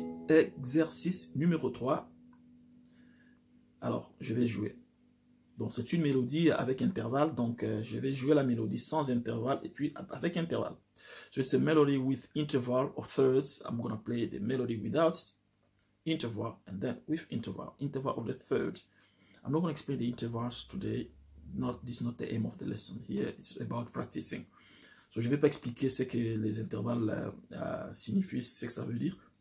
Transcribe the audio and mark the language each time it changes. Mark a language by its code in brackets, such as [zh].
[fr] Exercice numéro 3. Alors, je vais jouer. Donc, c'est une mélodie avec intervalle. Donc, je vais jouer la mélodie sans intervalle et puis avec intervalle. [en] So, it's a melody with interval or thirds. I'm going to play the melody without interval and then with interval. Interval of the third. I'm not going to explain the intervals today. Not, this is not the aim of the lesson here. It's about practicing. [fr] So, je ne vais pas expliquer ce que les intervalles signifient, ce que ça veut dire.